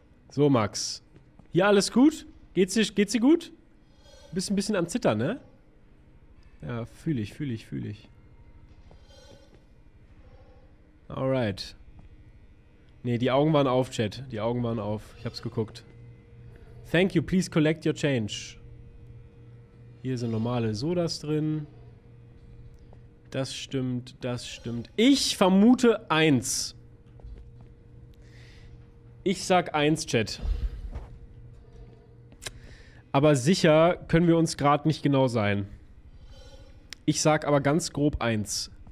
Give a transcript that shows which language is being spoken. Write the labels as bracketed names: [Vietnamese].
[German] So, Max. Hier alles gut? Geht's dir gut? Bist ein bisschen am Zittern, ne? Ja, fühle ich. Alright. Nee, die Augen waren auf, Chat. Die Augen waren auf. Ich hab's geguckt. [English] Thank you, please collect your change. [German] Hier sind normale Sodas drin. Das stimmt. Ich vermute 1. Ich sag 1, Chat. Aber sicher können wir uns gerade nicht genau sein. Ich sag aber ganz grob 1.